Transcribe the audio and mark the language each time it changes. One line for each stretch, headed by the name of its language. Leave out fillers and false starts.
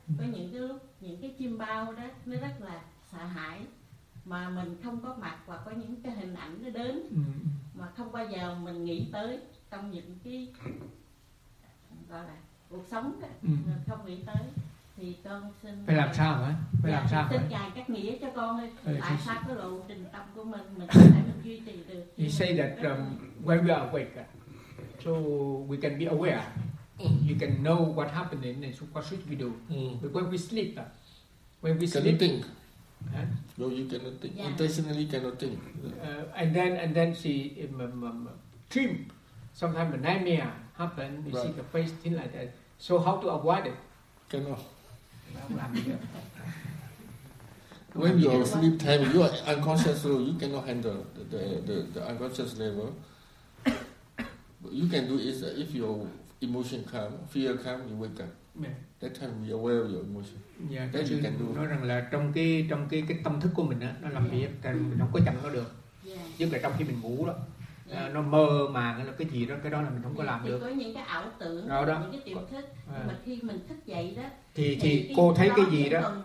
Vietnamese: Có những cái lúc những cái chim bao đó nó rất là sợ hãi mà mình không có mặt và có những cái hình ảnh nó đến mà không bao giờ mình nghĩ tới trong những cái gọi là cuộc sống đó, không nghĩ tới. Thì con xin phải làm sao hả? Phải làm sao? Xin ngài cắt nghĩa cho con ơi, tại sao cái lộ trình tâm của mình không thể mình duy trì được.
English: You say that when we are awake, so we can be aware. You can know what happened and so what should we do. But when we sleep, Can you think? No, you cannot think. Yeah. Intentionally cannot think. And then see dream. Sometimes a nightmare happen. You see the face, thing like that. So how to avoid it? Cannot. When you are sleep time, you are unconscious, so you cannot handle the unconscious level. But you can do is that if you're emotion come, fear come, you wake up. Yeah. That time we are aware of your emotion. Yeah, that you can do.
Vietnamese: Nói rằng là trong cái tâm thức của mình á, nó làm việc, mình không có chặn nó được. Nhưng mà trong khi mình ngủ đó, nó mơ màng, nó cái gì đó, cái đó là mình không có làm được. Có những cái ảo tưởng, những cái tiềm thức, mà khi mình thức dậy đó, thì cô thấy cái gì đó,